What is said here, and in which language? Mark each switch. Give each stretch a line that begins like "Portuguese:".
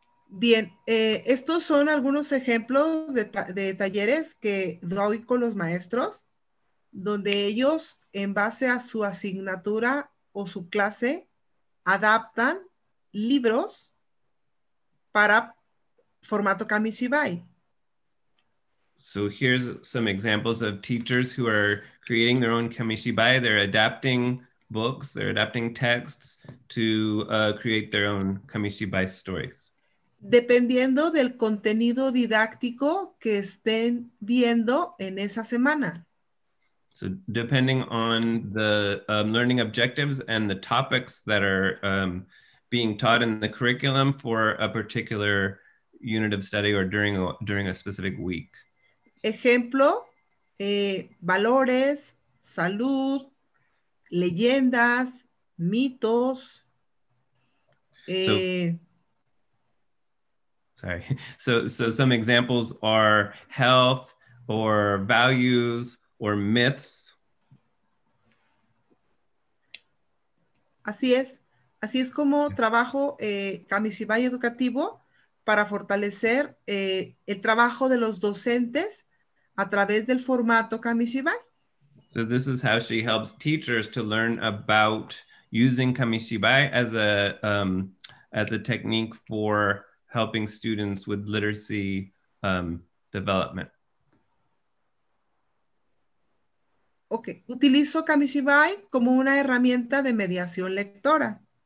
Spanish: Bien, estos son algunos ejemplos de talleres que doy con los maestros, donde ellos, en base a su asignatura o su clase, adaptan libros para formato Kamishibai.
English: So here's some examples of teachers who are creating their own Kamishibai. They're adapting books, they're adapting texts to create their own Kamishibai stories.
Spanish: Dependiendo del contenido didáctico que estén viendo en esa semana.
English: So depending on the learning objectives and the topics that are being taught in the curriculum for a particular unit of study or during a specific week.
Spanish: Ejemplo, valores, salud, leyendas, mitos,
English: Sorry. So some examples are health or values or myths.
Spanish: Así es como trabajo Kamishibai educativo para fortalecer el trabajo de los docentes a través del formato Kamishibai.
English: So this is how she helps teachers to learn about using Kamishibai as a technique for helping students with literacy development.
Spanish: Okay, utilizo Kamishibai como una herramienta de mediación lectora.